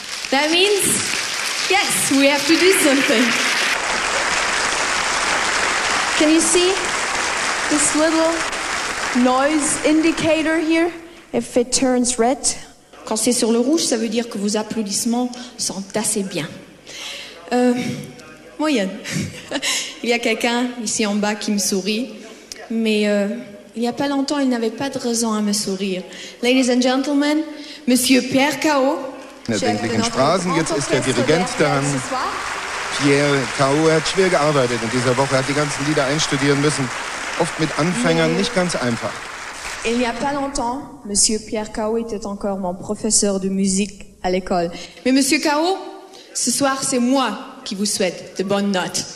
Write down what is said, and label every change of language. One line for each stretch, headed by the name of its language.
English: That means, yes, we have to do something. Can you see this little noise indicator here? If it turns red.
French: Quand c'est sur le rouge, ça veut dire que vos applaudissements sont assez bien. Moyenne. Il y a quelqu'un ici en bas qui me sourit, mais... il n'y a pas longtemps, il n'avait pas de raison à me sourire.
English: Ladies and gentlemen, Monsieur Pierre Cao.
German: Natürlich in Straßen, jetzt ist der Dirigent dran. Pierre Cao hat schwer gearbeitet in dieser Woche, hat die ganzen Lieder einstudieren müssen. Oft mit Anfängern, nicht ganz einfach.
French: Il n'y a pas longtemps, Monsieur Pierre Cao était encore mon professeur de musique à l'école. Mais Monsieur Cao, ce soir c'est moi qui vous souhaite de bonnes notes.